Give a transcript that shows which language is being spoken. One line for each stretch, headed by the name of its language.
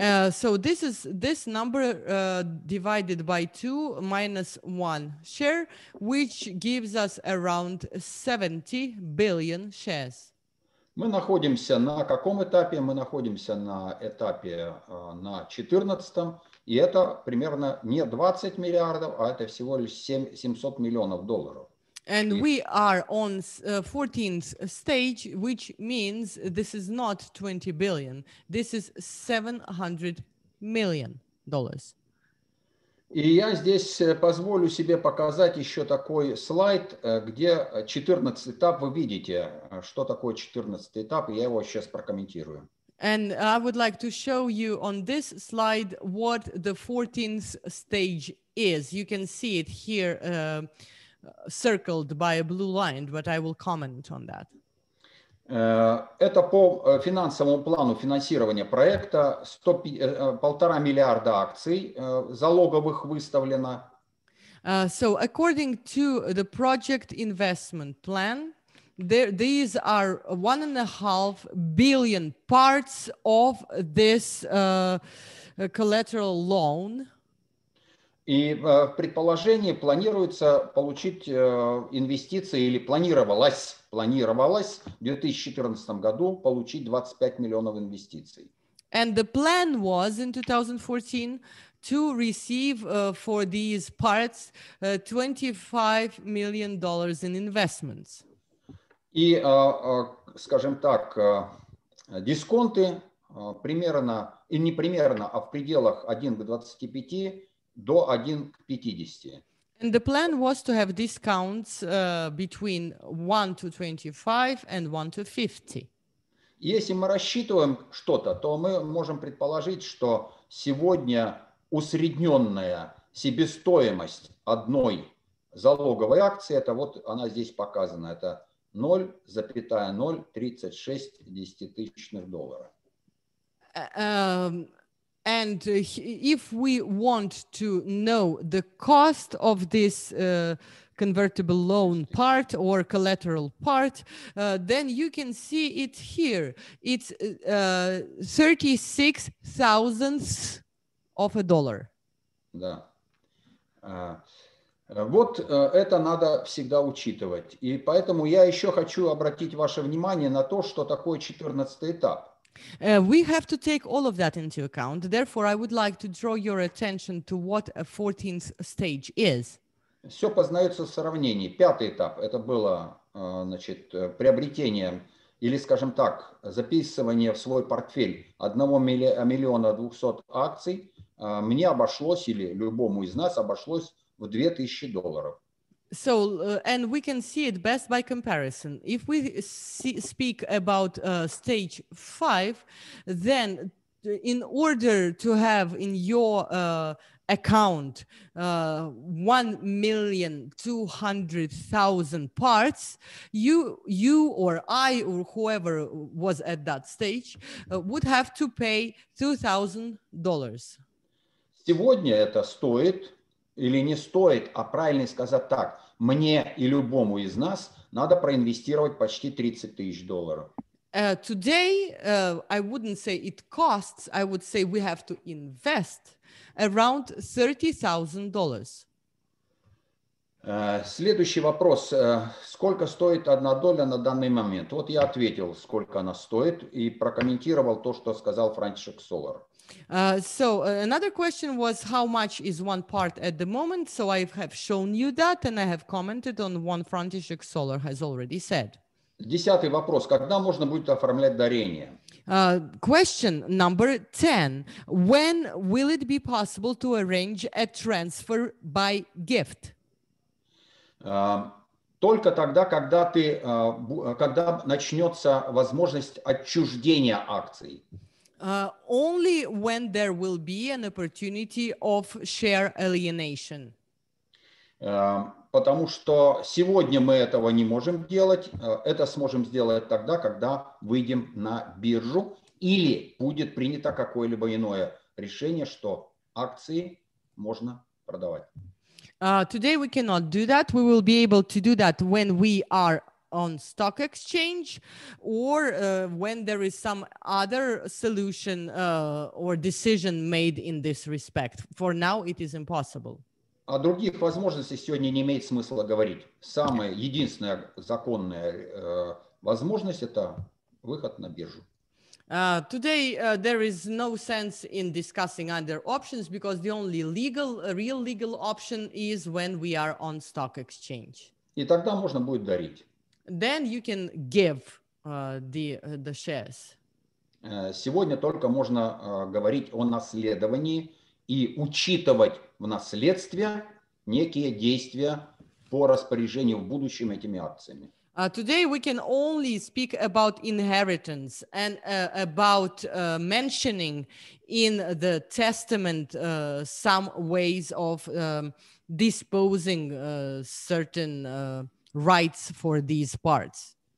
English: So this is this number divided by 2 minus 1 share, which gives us around 70 billion shares.
Russian: Мы находимся на каком этапе? Мы находимся на этапе на 14-м, и это примерно не 20 миллиардов, а это всего лишь 700 миллионов долларов.
English: And we are on 14th stage, which means this is not 20 billion, this is 700 million dollars.
Russian: И я здесь позволю себе показать еще такой слайд, где 14 этап, вы видите, что такое 14 этап, и я его сейчас прокомментирую.
English: And I would like to show you on this slide what the 14th stage is. You can see it here circled by a blue line, but I will comment on that.
Russian: Это по финансовому плану финансирования проекта 1,5 миллиарда акций залоговых выставлено.
English: So according to the project investment plan, these are 1.5 billion parts of this collateral loan.
Russian: И в предположении планируется получить инвестиции или планировалось в 2014 году получить 25 миллионов инвестиций.
English: And the plan was in 2014 to receive for these parts 25 million dollars in investments.
Russian: И, скажем так, дисконты примерно, и не примерно, а в пределах 1 к 25. До 1 к 50.
English: And the plan was to have discounts between 1 to 25 and 1 to 50.
Russian: Если мы рассчитываем что-то, то мы можем предположить, что сегодня усредненная себестоимость одной залоговой акции, это вот она здесь показана, это 0.036 доллара.
English: And if we want to know the cost of this convertible loan part or collateral part, then you can see it here. It's 36 thousandths of a dollar.
Russian: Да. Вот это надо всегда учитывать. И поэтому я еще хочу обратить ваше внимание на то, что такое 14-й этап.
English: We have to take all of that into account. Therefore, I would like to draw your attention to what a 14th stage is.
Russian: Все познается в сравнении. Пятый этап – это было, значит, приобретение или, скажем так, записывание в свой портфель 1 миллиона 200 акций. Мне обошлось или любому из нас обошлось в 2000 долларов.
English: So, and we can see it best by comparison. If we speak about stage 5, then in order to have in your account 1,200,000 parts, you or I or whoever was at that stage would have to pay $2,000.
Russian: Сегодня это стоит или не стоит, а правильно сказать так, мне и любому из нас надо проинвестировать почти 30 тысяч долларов.
English: Today, I wouldn't say it costs, I would say we have to invest around $30,000.
Russian: Следующий вопрос. Сколько стоит одна доля на данный момент? Вот я ответил, сколько она стоит, и прокомментировал то, что сказал Франчишек Солар.
English: Another question was how much is one part at the moment? So I have shown you that and I have commented on what František Solar has already said.
Russian: Десятый вопрос. Когда можно будет оформлять дарение?
English: Question number 10. When will it be possible to arrange a transfer by gift?
Russian: Только тогда, когда начнется возможность отчуждения акций.
English: Only when there will be an opportunity of share alienation.
Russian: Потому что сегодня мы этого не можем делать. Это сможем сделать тогда, когда выйдем на биржу или будет принято какое-либо иное решение, что акции можно продавать.
English: Today we cannot do that. We will be able to do that when we are on stock exchange, or when there is some other solution or decision made in this respect. For now, it is impossible.
Russian: О других возможностях сегодня не имеет смысла говорить. Самая единственная законная возможность – это выход на биржу.
English: Today there is no sense in discussing other options because the only legal, real legal option is when we are on stock exchange.
Russian: И тогда можно будет дарить.
English: Then you can give the shares.
Russian: Сегодня только можно говорить о наследовании и учитывать в наследстве некие действия по распоряжению в будущем этими акциями.
English: Today we can only speak about inheritance and about mentioning in the testament some ways of disposing certain rights for these parts.